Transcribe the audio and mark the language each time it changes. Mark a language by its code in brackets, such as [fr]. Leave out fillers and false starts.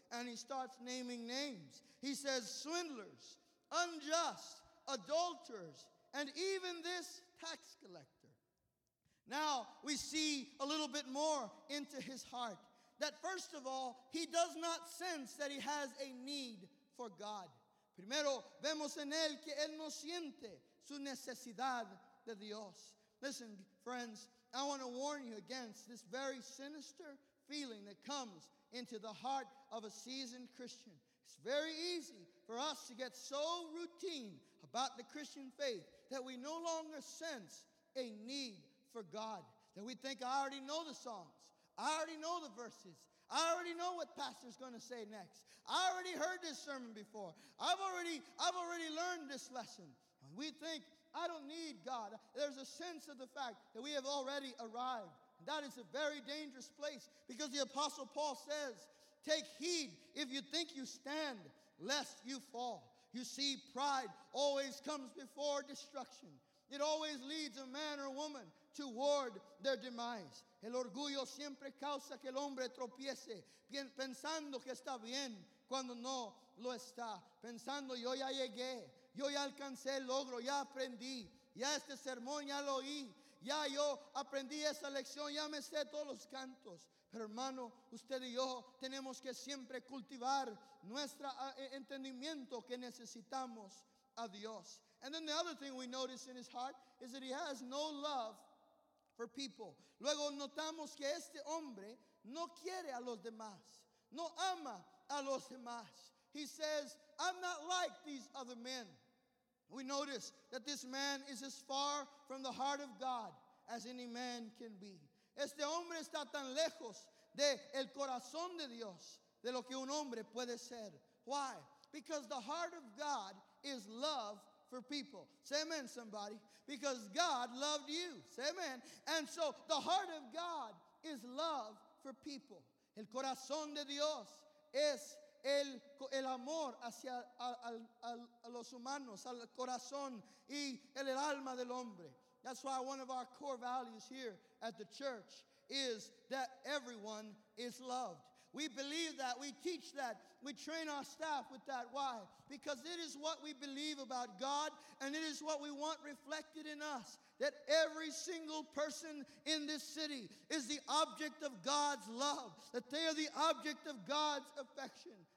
[en] And he starts naming names. He says, swindlers, unjust, adulterers, and even this tax collector. Now we see a little bit more into his heart. That first of all, he does not sense that he has a need for God. Primero, vemos en él que él no siente su necesidad de Dios. Listen, friends, I want to warn you against this very sinister feeling that comes into the heart of a seasoned Christian. It's very easy for us to get so routine about the Christian faith that we no longer sense a need for God. That we think, I already know the songs. I already know the verses. I already know what pastor's going to say next. I already heard this sermon before. I've already learned this lesson. And we think, I don't need God. There's a sense of the fact that we have already arrived. And that is a very dangerous place because the Apostle Paul says, take heed if you think you stand, lest you fall. You see, pride always comes before destruction. It always leads a man or woman toward their demise. [es] El orgullo siempre causa que el hombre tropiece, pensando que está bien cuando no lo está. Pensando, yo ya llegué, yo ya alcancé el logro, ya aprendí, ya este sermón ya lo oí. Ya yo aprendí esa lección, ya me sé todos los cantos. Pero hermano, usted y yo tenemos que siempre cultivar nuestro entendimiento que necesitamos a Dios. [en] And then the other thing we notice in his heart is that he has no love for people. [es] Luego notamos que este hombre no quiere a los demás. No ama a los demás. [en] He says, I'm not like these other men. We notice that this man is as far from the heart of God as any man can be. [es] Este hombre está tan lejos de el corazón de Dios, de lo que un hombre puede ser. [en] Why? Because the heart of God is love for people. Say amen, somebody. Because God loved you. Say amen. And so the heart of God is love for people. [es] El corazón de Dios es el amor hacia a los humanos, al corazón y el alma del hombre. [en] That's why one of our core values here at the church is that everyone is loved. We believe that. We teach that. We train our staff with that. Why? Because it is what we believe about God, and it is what we want reflected in us, that every single person in this city is the object of God's love, that they are the object of God's affection.